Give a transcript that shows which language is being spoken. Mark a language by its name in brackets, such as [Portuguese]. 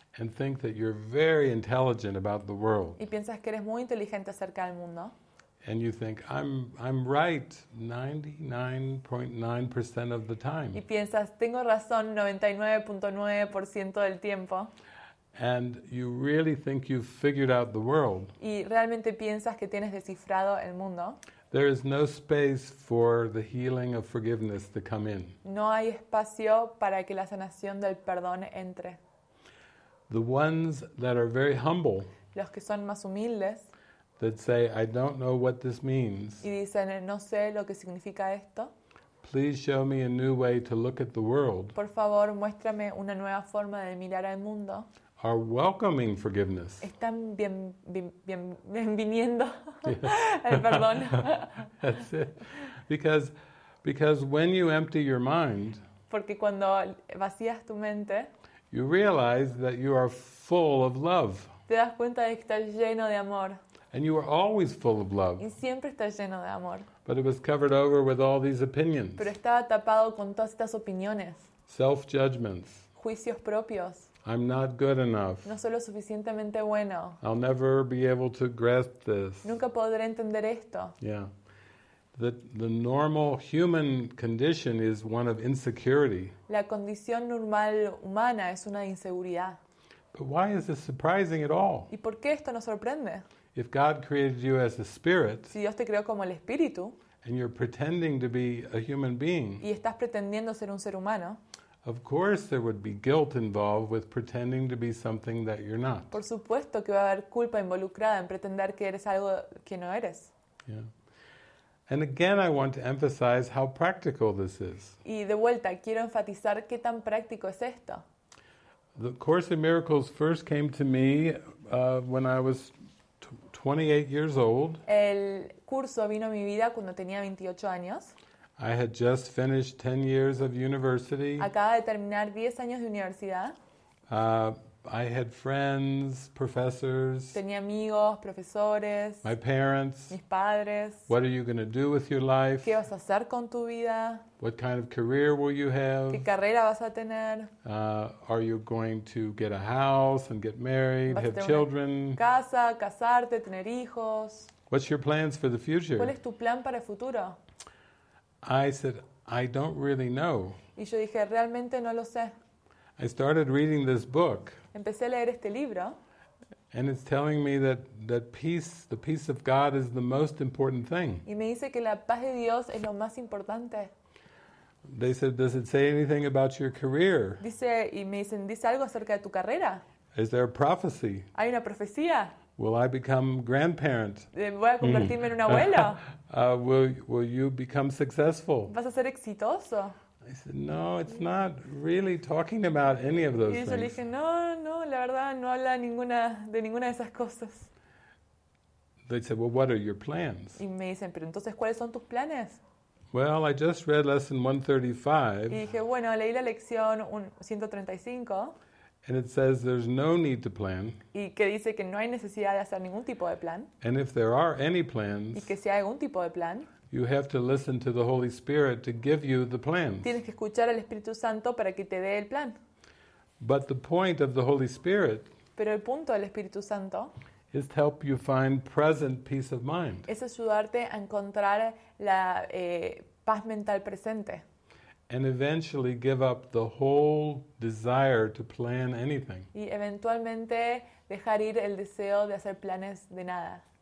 [English] And think that you're very intelligent about the world. [Spanish] Y piensas que eres muy inteligente acerca del mundo. [English] And you think I'm right 99.9% of the time. [Spanish] Y piensas tengo razón 99.9% del tiempo. [English] And you really think you've figured out the world. [Spanish] Y realmente piensas que tienes descifrado el mundo. [English] There is no space for the healing of forgiveness to come in. [Spanish] No hay espacio para que la sanación del perdón entre. [English] The ones that are very humble. [Spanish] Los que son más humildes. [English] That say, I don't know what this means. [Spanish] Y dicen, no sé lo que significa esto. [English] Please show me a new way to look at the world. [Spanish] Por favor, muéstrame una nueva forma de mirar al mundo. [English] Are welcoming forgiveness. [Spanish] Están bienviniendo el perdón. [English] That's it. Because when you empty your mind, [Spanish] porque cuando vacías tu mente, [English] you realize that you are full of love. [Spanish] Te das cuenta de que estás lleno de amor. [English] And you are always full of love. [Spanish] Y siempre estás lleno de amor. [English] But it was covered over with all these opinions. [Spanish] Pero estaba tapado con todas estas opiniones. [English] Self-judgments. [Spanish] Juicios propios. [English] I'm not good enough. [Spanish] No soy lo suficientemente bueno. [English] I'll never be able to grasp this. [Spanish] Nunca podré entender esto. [English] Yeah. The normal human condition is one of insecurity. [Spanish] La condición normal humana es una de inseguridad. [English] But why is this surprising at all? [Spanish] ¿Y por qué esto nos sorprende? [English] If God created you as a spirit, [Spanish] si Dios te creó como el espíritu, [English] and you're pretending to be a human being, [Spanish] y estás pretendiendo ser un ser humano, [English] of course there would be guilt involved with pretending to be something that you're not. [Spanish] Por supuesto que va a haber culpa involucrada en pretender que eres algo que no eres. [English] Yeah. And again, I want to emphasize how practical this is. [Spanish] Y de vuelta, quiero enfatizar qué tan práctico es esto. [English] The Course in Miracles first came to me when I was 28 years old. [Spanish] El curso vino a mi vida cuando tenía 28 años. [English] I had just finished 10 years of university. [Spanish] Acaba de terminar 10 años de universidad. [English] I had friends, professors. [Spanish] Tenía amigos, profesores. [English] My parents. [Spanish] Mis padres. [English] What are you going to do with your life? [Spanish] ¿Qué vas a hacer con tu vida? [English] What kind of career will you have? [Spanish] ¿Qué carrera vas a tener? [English] Are you going to get a house and get married, [Spanish] ¿Vas [English] have [Spanish] a tener [English] children? [Spanish] Una casa, casarte, tener hijos. [English] What's your plans for the future? [Spanish] ¿Cuál es tu plan para el futuro? [English] I said, I don't really know. [Spanish] Y yo dije, realmente no lo sé. [English] I started reading this book. [Spanish] Empecé a leer este libro. [English] And it's telling me that peace, the peace of God is the most important thing. [Spanish] Y me dice que la paz de Dios es lo más importante. [English] They said, does it say anything about your career? [Spanish] Dice, y me dicen, ¿dice algo acerca de tu carrera? [English] Is there a prophecy? [Spanish] ¿Hay una profecía? [English] Will I become grandparent? [Spanish] ¿Voy a convertirme en un abuelo? [English] will you become successful? [Spanish] ¿Vas a ser exitoso? [English] I said, no, it's not really talking about any of those things. [Spanish] Y yo le dije, no, la verdad no habla de ninguna de esas cosas. [English] They said, well, what are your plans? [Spanish] Y me dicen, pero entonces, ¿cuáles son tus planes? [English] Well, I just read lesson 135. [Spanish] Y dije, bueno, leí la lección 135. [English] And it says there's no need to plan. [Spanish] Y que dice que no hay necesidad de hacer ningún tipo de plan. [English] And if there are any plans, [Spanish] y que si hay algún tipo de plan, [English] you have to listen to the Holy Spirit to give you the plans. [Spanish] Tienes que escuchar al Espíritu Santo para que te dé el plan. [English] But the point of the Holy Spirit, [Spanish] pero el punto del Espíritu Santo, [English] is to help you find present peace of mind. [Spanish] Es ayudarte a encontrar la paz mental presente. [English] And eventually give up the whole desire to plan anything. [Spanish] Y eventualmente dejar ir el deseo de hacer planes de nada.